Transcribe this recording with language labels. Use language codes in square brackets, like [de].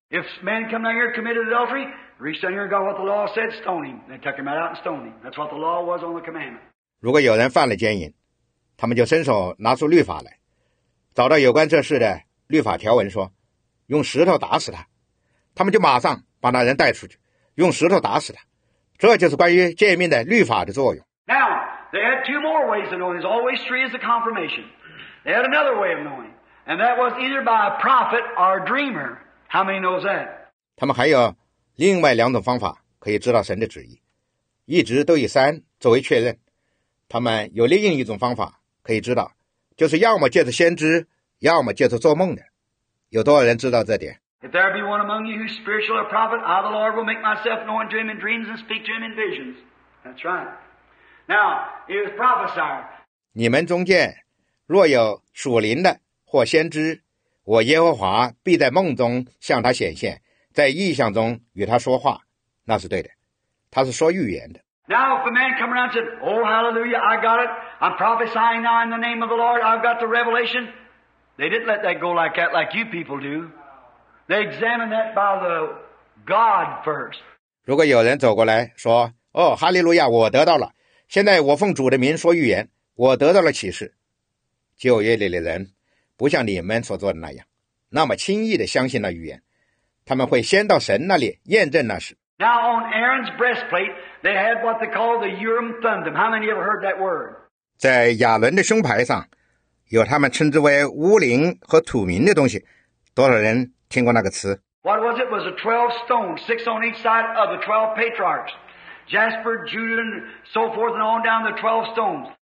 [en] If man come down here committed adultery, reached down here and got what the law said, stone him. They took him right out and stone him. That's what the law was on the commandment. [zh] 如果有人犯了奸淫，他们就伸手拿出律法来，找到有关这事的律法条文，说用石头打死他，他们就马上把那人带出去，用石头打死他。这就是关于诫命的律法的作用。 [en] Now,They had two more ways of knowing. There's always three as a confirmation. They had another way of knowing. And that was either by a prophet or a dreamer. How many knows that? [zh] 他们还有另外两种方法可以知道神的旨意。一直都以三作为确认。他们有另一种方法可以知道，就是要么借着先知，要么借着做梦的。有多少人知道这点？ [en] If there be one among you who's spiritual or prophet, I the Lord will make myself known to him in dreams and speak to him in visions. That's right. Now, it is prophesied. [zh] 你们中间若有属灵的或先知，我耶和华必在梦中向他显现，在异象中与他说话，那是对的。他是说预言的。 [en] Now, if a man come around and said, Oh, hallelujah, I got it. I'm prophesying now in the name of the Lord. I've got the revelation. They didn't let that go like that, like you people do. They examined that by the God first. [zh] 如果有人走过来说，哦，哈利路亚，我得到了。现在我奉主的名说预言，我得到了启示。旧约里的人不像你们所做的那样，那么轻易地相信那预言，他们会先到神那里验证那事。 [en] Now on Aaron's breastplate, they had what they call the Urim Thummim. How many ever heard that word? [zh] 在亚伦的胸牌上，有他们称之为乌灵和土明的东西。多少人听过那个词？ [en] What was it? It was a 12 stones, 6 on each side of the 12 patriarchs. Jasper, Judah, and so forth, and on down the 12 stones.